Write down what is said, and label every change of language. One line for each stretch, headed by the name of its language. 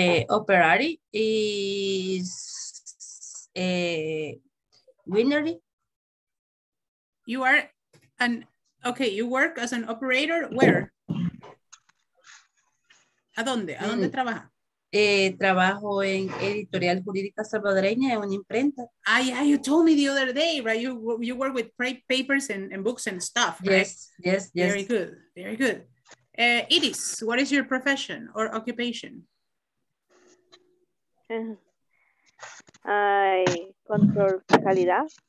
English: Operari is a winery. You are an, okay, you work as an operator where?
Spanish: ¿A dónde? ¿A dónde trabaja? Trabajo en editorial jurídica salvadoreña en una imprenta.
English: Ah, yeah, you told me the other day, right? You work with papers and books and stuff, right? Yes, yes, yes. Very good, very good. Iris, what is your profession or occupation? I control calidad.